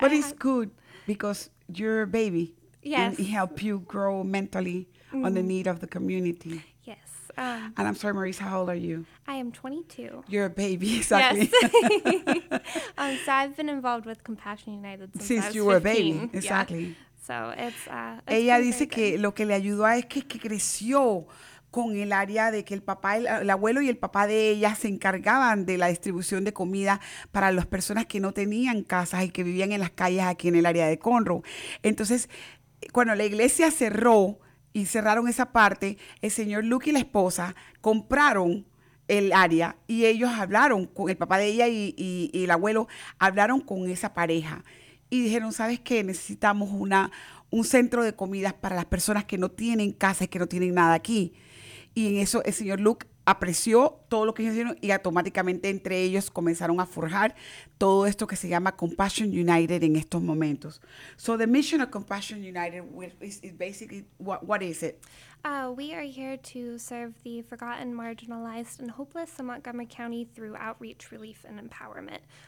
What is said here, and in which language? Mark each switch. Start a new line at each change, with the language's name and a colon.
English: It's good because you're a baby. Yes. And it helped you grow mentally mm-hmm. on the need of the community. Yes. And I'm sorry, Marisa, how old are you? I am 22. You're a baby, exactly. Yes. So I've been involved with Compassion United since I was 15. Since you were a baby, exactly. Yeah. So it's,
Spanish: ella dice que lo que le ayudó a es que creció con el área de que el papá, el abuelo y el papá de ella se encargaban de la distribución de comida para las personas que no tenían casas y que vivían en las calles aquí en el área de Conroe. Entonces, cuando la iglesia cerró y cerraron esa parte, el señor Luke y la esposa compraron el área y ellos hablaron con el papá de ella y el abuelo, hablaron con esa pareja y dijeron, ¿sabes qué? Necesitamos un centro de comidas para las personas que no tienen casa y que no tienen nada aquí. Y en eso el señor Luke apreció todo lo que ellos hicieron y automáticamente entre ellos comenzaron a forjar todo esto que se llama Compassion United en estos momentos.
English: So the mission of Compassion United is basically, what is it? We are here to serve the forgotten, marginalized, and hopeless in Montgomery County through outreach, relief, and empowerment.